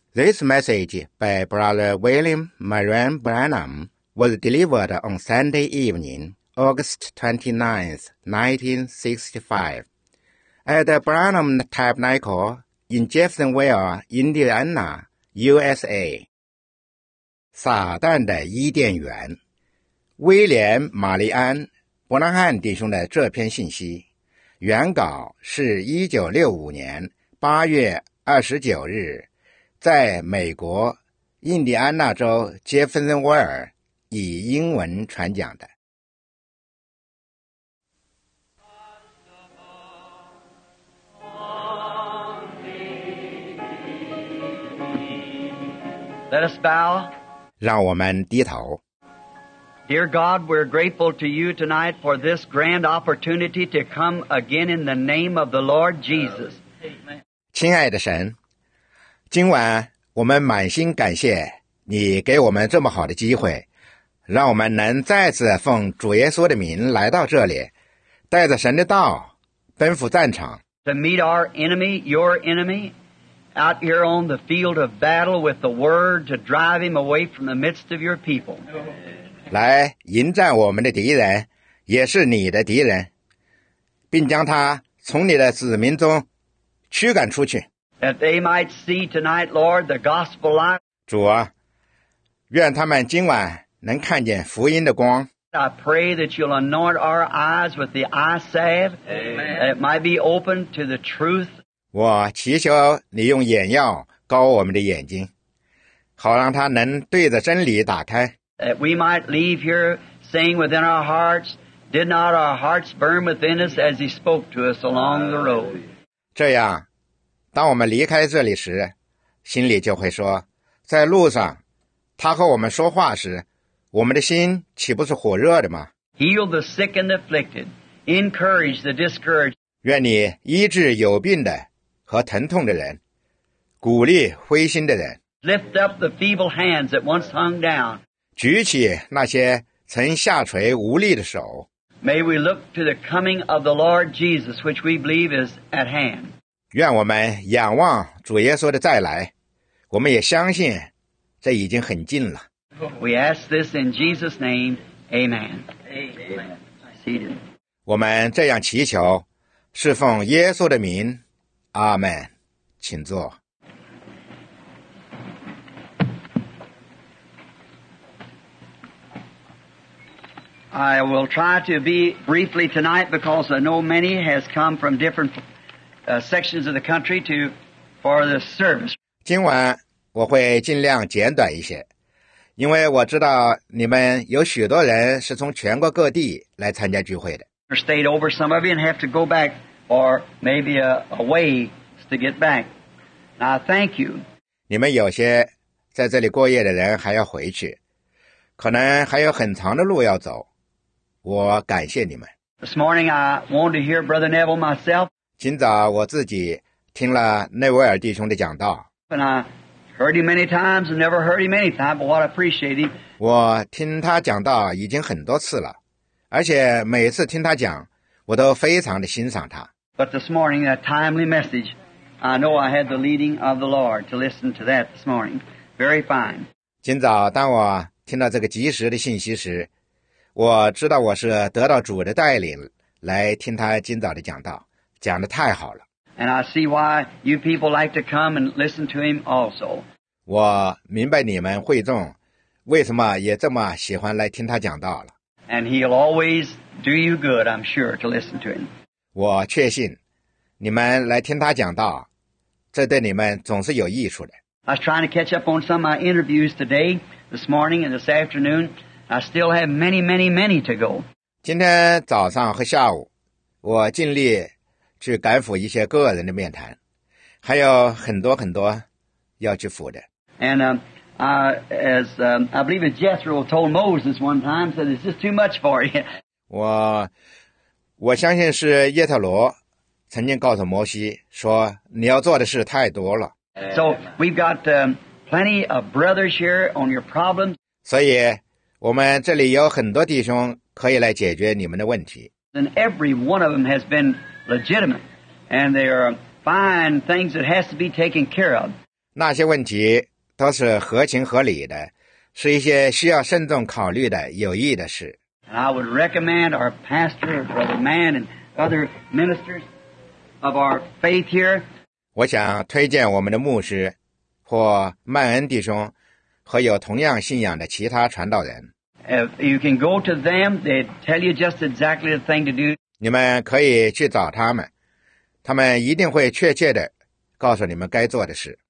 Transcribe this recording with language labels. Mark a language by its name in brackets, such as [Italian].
[English] This message by Brother William Marion Branham was delivered on Sunday evening, August 29, 1965, at the Branham Tabernacle in Jeffersonville, Indiana, USA. [Chinese] 撒旦的伊甸园。威廉·玛丽安·伯拉罕弟兄的这篇信息原稿是1965年8月29日在美国印第安纳州杰弗森威尔以英文传讲的。 [English] Let us bow. [Chinese] 让我们低头。 [English] Dear God, we're grateful to you tonight for this grand opportunity to come again in the name of the Lord Jesus. [Chinese] 亲爱的神，今晚我们满心感谢你给我们这么好的机会，让我们能再次奉主耶稣的名来到这里，带着神的道奔赴战场。 [English] To meet our enemy, your enemy, out here on the field of battle with the word to drive him away from the midst of your people. [Chinese] 来迎战我们的敌人，也是你的敌人，并将他从你的子民中驱赶出去。 [English] That they might see tonight, Lord, the gospel light. [Chinese] 主啊，愿他们今晚能看见福音的光。 [English] I pray that you'll anoint our eyes with the eye salve, that it might be open to the truth. [Chinese] 我祈求你用眼药膏我们的眼睛，好让他能对着真理打开。 [English] That we might leave here saying within our hearts, did not our hearts burn within us as he spoke to us along the road? [Chinese] 这样，当我们离开这里时，心里就会说，在路上，他和我们说话时，我们的心岂不是火热的吗？ [English] Heal the sick and afflicted, encourage the discouraged. [Chinese] 愿你医治有病的和疼痛的人，鼓励灰心的人。 [English] Lift up the feeble hands that once hung down. [Chinese] 举起那些曾下垂无力的手。 [English] May we look to the coming of the Lord Jesus, which we believe is at hand. [Chinese] 愿我们仰望主耶稣的再来，我们也相信这已经很近了。 [English] We ask this in Jesus' name, Amen. Amen. Seated. [Chinese] 我们这样祈求，是奉耶稣的名，阿门。请坐。 [English] I will try to be briefly tonight because I know many has come from different sections of the country to for the service. [Chinese] 今晚我会尽量简短一些，因为我知道你们有许多人是从全国各地来参加聚会的。 [English] Stayed over some of you and have to go back or maybe a way to get back. Now thank you. [Chinese] 你们有些在这里过夜的人还要回去，可能还有很长的路要走。我感谢你们。 [English] This morning I wanted to hear Brother Neville myself. [Chinese] 今早我自己听了内维尔弟兄的讲道。 [English] And I heard him many times and never heard him any time, but what I appreciate him. [Chinese] 我听他讲道已经很多次了，而且每次听他讲，我都非常的欣赏他。 [English] But this morning, a timely message. I know I had the leading of the Lord to listen to that this morning. Very fine. [Chinese] 今早当我听到这个及时的信息时，我知道我是得到主的带领来听他今早的讲道，讲得太好了。 [English] And I see why you people like to come and listen to him also. [Chinese] 我明白你们会众为什么也这么喜欢来听他讲道了。 [English] And he'll always do you good, I'm sure, to listen to him. [Chinese] 我确信你们来听他讲道，这对你们总是有益处的。 [English] I was trying to catch up on some of my interviews today, this morning and this afternoon. I still have many, many, many to go. [Chinese] 今天早上和下午，我尽力去赶赴一些个人的面谈，还有很多很多要去赴的。 [English] And I believe Jethro told Moses one time, said it's just too much for you. [Chinese] 我相信是叶特罗曾经告诉摩西说，你要做的事太多了。 [English] So we've got plenty of brothers here on your problems. [Chinese] 所以。我们这里有很多弟兄可以来解决你们的问题。 [English] And every one of them has been legitimate, and they are find things that has to be taken care of. [Chinese] 那些问题都是合情合理的，是一些需要慎重考虑的有益的事。 [English] And I would recommend our pastor, Brother Mann, and other ministers of our faith here. [Chinese] 我想推荐我们的牧师或曼恩弟兄和有同样信仰的其他传道人。 [English] If you can go to them, they tell you just exactly the thing to do. [Chinese] 你们可以去找他们，他们一定会确切地告诉你们该做的事。